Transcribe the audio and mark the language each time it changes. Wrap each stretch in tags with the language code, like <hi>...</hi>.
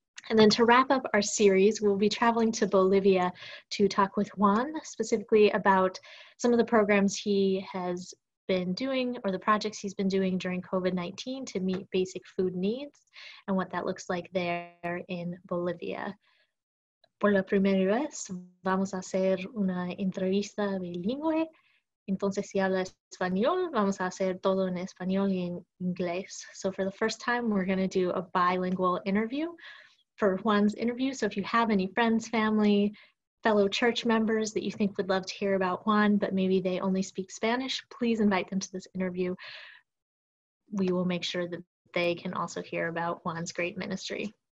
<en>And then to wrap up our series, we'll be traveling to Bolivia to talk with Juan specifically about some of the programs he has been doing or the projects he's been doing during COVID-19 to meet basic food needs and what that looks like there in Bolivia.</en> <es>Por la primera vez, vamos a hacer una entrevista bilingüe. Entonces, si habla español, vamos a hacer todo en español y en inglés.</es> <en>So for the first time, we're going to do a bilingual interview for Juan's interview. So if you have any friends, family, fellow church members that you think would love to hear about Juan, but maybe they only speak Spanish, please invite them to this interview. we will make sure that they can also hear about Juan's great ministry.</en>